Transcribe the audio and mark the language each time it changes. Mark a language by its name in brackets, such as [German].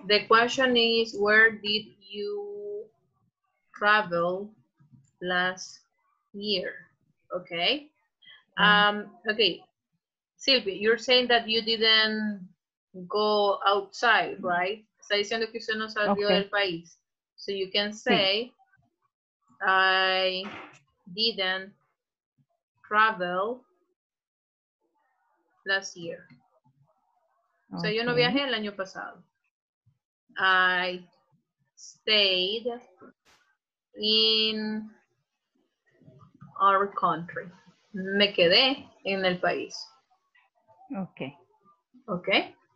[English] The question is, where did you travel last year? Okay. Okay. Sylvie, you're saying that you didn't go outside, right? [Spanish] Está diciendo que usted no salió del país. [English] So you can say, I didn't travel last year. [Spanish] O sea, yo no viajé el año pasado. [English] I stayed in our country. [Spanish] Me quedé en el país. [English] Okay. Okay.